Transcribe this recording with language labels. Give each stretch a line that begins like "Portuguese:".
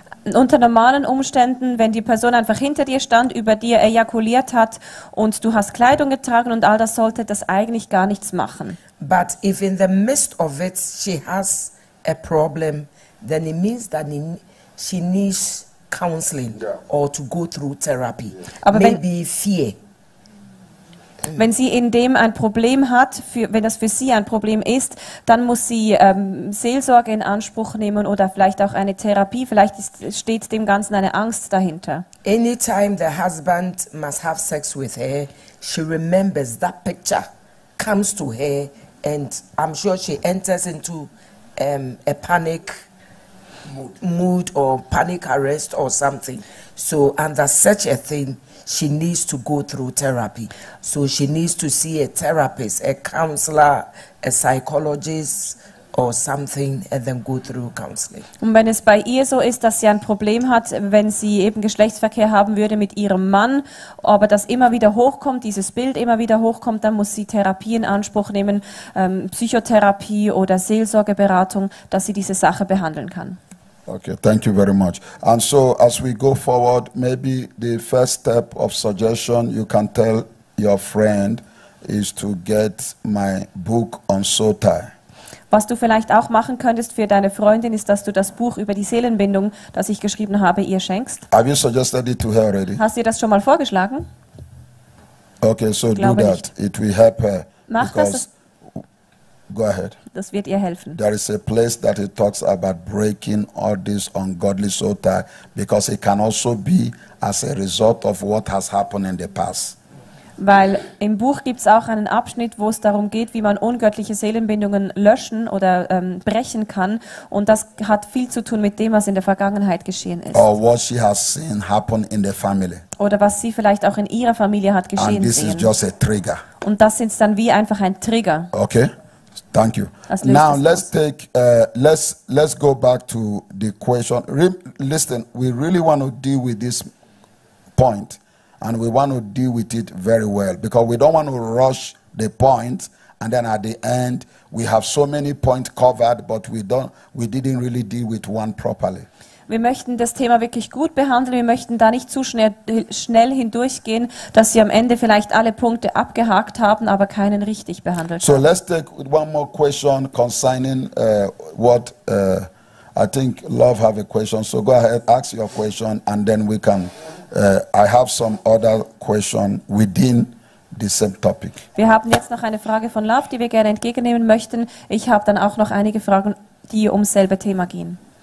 German: Unter normalen Umständen, wenn die Person einfach hinter dir stand, über dir ejakuliert hat und du hast Kleidung getragen und all das, sollte das eigentlich gar nichts machen.
English: But if in the midst of it she has a problem, then it means that she needs counseling or to go through therapy.
German: Aber
English: maybe fear.
German: Wenn sie in dem ein Problem hat, wenn das für sie ein Problem ist, dann muss sie Seelsorge in Anspruch nehmen oder vielleicht auch eine Therapie. Vielleicht steht dem Ganzen eine Angst dahinter.
English: Anytime the husband must have sex with her, she remembers that picture, comes to her, and I'm sure she enters into a panic mood or panic arrest or something. So under such a thing, she needs to go through therapy. So she needs to see a therapist, a counselor, a psychologist, or something and then go through counseling.
German: Und wenn es bei ihr so ist, dass sie ein Problem hat, wenn sie eben Geschlechtsverkehr haben würde mit ihrem Mann, aber das immer wieder hochkommt, dieses Bild immer wieder hochkommt, dann muss sie Therapie in Anspruch nehmen, Psychotherapie oder Seelsorgeberatung, dass sie diese Sache behandeln kann.
English: Okay, thank you very much. And so as we go forward, maybe the first step of suggestion you can tell your friend is to get my book on soul tie.
German: Was du vielleicht auch machen könntest für deine Freundin ist, dass du das Buch über die Seelenbindung, das ich geschrieben habe, ihr schenkst.
English: Have you suggested it to her already?
German: Hast du ihr das schon mal vorgeschlagen?
English: Okay, so do that. It will help her.
German: Mach das.
English: Go ahead.
German: Das wird ihr helfen.
English: There is a place that it talks about breaking all this ungodly soul tie, because it can also be as a result of what has happened in the past.
German: Weil im Buch gibt es auch einen Abschnitt, wo es darum geht, wie man ungöttliche Seelenbindungen löschen oder brechen kann. Und das hat viel zu tun mit dem, was in der Vergangenheit geschehen ist.
English: Or what she has seen happen in the family.
German: Oder was sie vielleicht auch in ihrer Familie hat geschehen
English: And this
German: sehen.
English: Is just a trigger.
German: Und das ist dann wie einfach ein Trigger.
English: Okay, thank you. Now let's aus. Take, let's go back to the question. Listen, we really want to deal with this point. And we want to deal with it very well, because we don't want to rush the point, and then at the end we have so many points covered, but we didn't really deal with one properly.
German: Wir möchten das Thema wirklich gut behandeln. Wir möchten da nicht zu schnell hindurchgehen, dass Sie am Ende vielleicht alle Punkte abgehakt haben, aber keinen richtig behandelt.
English: So let's take one more question concerning what I think Love have a question. So go ahead, ask your question, and then we can. I have some other question within the same topic.
German: Wir haben jetzt noch eine Frage von Love, die wir gerne entgegennehmen möchten. Ich habe dann auch noch einige Fragen, die ums selbe Thema gehen.